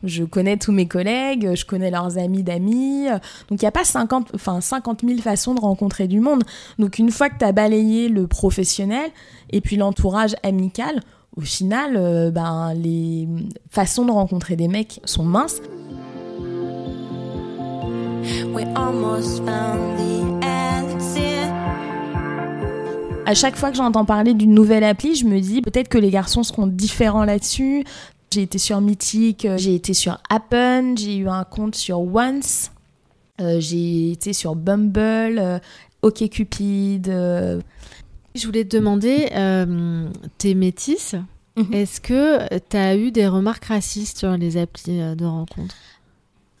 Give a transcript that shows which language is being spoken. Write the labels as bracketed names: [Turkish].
[French] Je connais tous mes collègues, je connais leurs amis d'amis. Donc, il n'y a pas 50 000 façons de rencontrer du monde. Donc, une fois que tu as balayé le professionnel et puis l'entourage amical, au final, ben, les façons de rencontrer des mecs sont minces. [English] We almost found the exit. [French] À chaque fois que j'entends parler d'une nouvelle appli, je me dis peut-être que les garçons seront différents là-dessus. J'ai été sur Mythique, j'ai été sur Happn, j'ai eu un compte sur Once, j'ai été sur Bumble, OkCupid. Je voulais te demander, t'es métisse, est-ce que t'as eu des remarques racistes sur les applis de rencontre ?